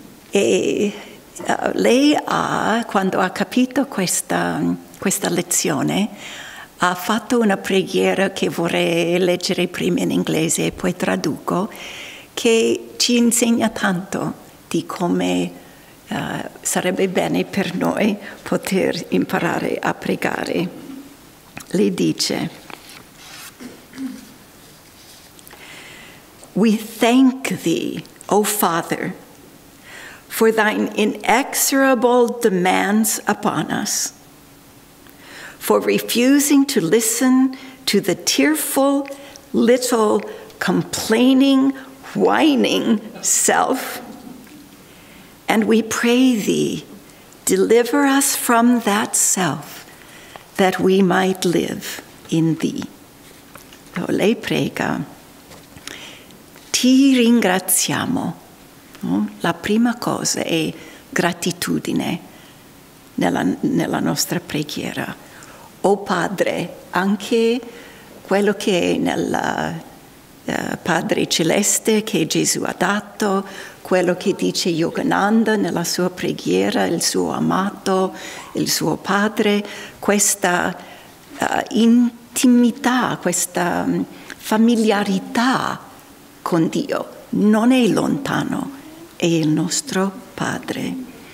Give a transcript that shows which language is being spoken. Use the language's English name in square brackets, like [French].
[Italian] E lei, quando ha capito questa lezione, ha fatto una preghiera che vorrei leggere prima in inglese e poi traduco, che ci insegna tanto di come sarebbe bene per noi poter imparare a pregare. [English] Le dice: "We thank thee, O Father, for thine inexorable demands upon us, for refusing to listen to the tearful, little, complaining, whining self. And we pray thee, deliver us from that self, that we might live in thee." [Italian] Lei prega: "Ti ringraziamo." No? La prima cosa è gratitudine nella nostra preghiera. O Padre, anche quello che è nel Padre Celeste che Gesù ha dato, quello che dice Yogananda nella sua preghiera, il suo amato, il suo padre, questa intimità, questa familiarità con Dio non è lontano, è il nostro Padre.